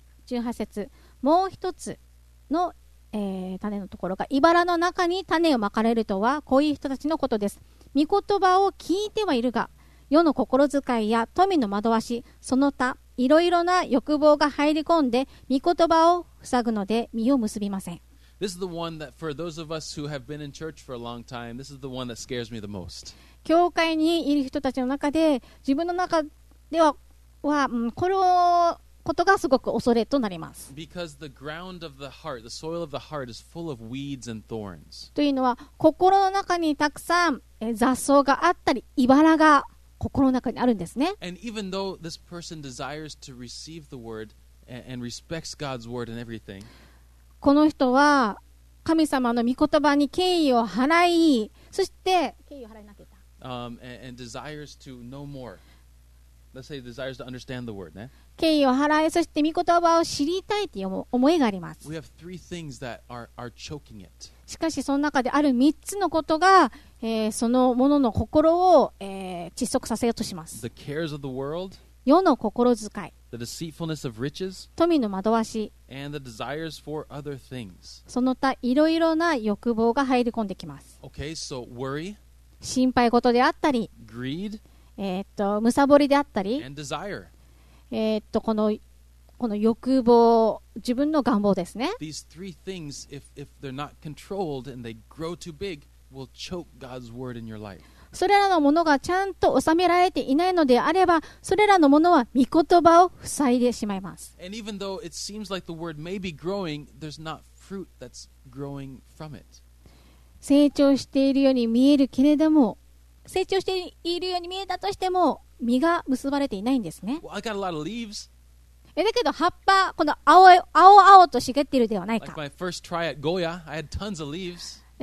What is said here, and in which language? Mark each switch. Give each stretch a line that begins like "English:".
Japanese: 18節、もう一つの、種のところが、茨の中に種をまかれるとは、こういう人たちのことです。御言葉を聞いてはいるが、世の心遣いや富の惑わし、その他、いろいろな欲望が入り込んで、御言葉を塞ぐので実を結びません。
English: This is the one that, for those of us who have been in church for a long time, this is the one that scares me the most.
Japanese: 教会にいる人たちの中で、自分の中ではは、うん、これをことがすごく恐れとなります。
English: Because the ground of the heart, the soil of the heart is full of weeds and thorns.
Japanese: というのは心の中にたくさん雑草があったり茨が心の中にあるんですね。
English: And even though this person desires to receive the word and respects God's word and everything,
Japanese: この人は神様の御言葉に敬意を払い、そして敬意を払いなければ、
English: and desires to know more. Let's say desires to understand the word, ね。
Japanese: 敬意を払い、そして御言葉を知りたいという思いがあります。
English: We have three things that are choking it.
Japanese: しかしその中である3つのことが、そのものの心を、窒息させようとします。
English: The cares of the world,
Japanese: 世の心遣い、
English: The deceitfulness of riches,
Japanese: 富の惑わし、
English: And the desires for other things.
Japanese: その他いろいろな欲望が入り込んできます。
English: Okay, so worry,
Japanese: 心配事であったり、
English: Greed,
Japanese: むさぼりであったり、
English: And desire.
Japanese: この欲望、自分の願望ですね。
English: These three things, if they're not controlled and they grow too big, will choke God's word in your life.
Japanese: それらのものがちゃんと収められていないのであれば、それらのものは御言葉を塞いでしまいます。
English: And even though it seems like the word may be growing, there's not fruit that's growing from it.
Japanese: 成長しているように見えるけれども、成長しているように見えたとしても、実が結ばれていないんですね。
English: Well, I got a lot of leaves.
Japanese: だけど葉っぱ、この青々と茂っているではないか。
English: Like my first try at Goya, I had tons of leaves.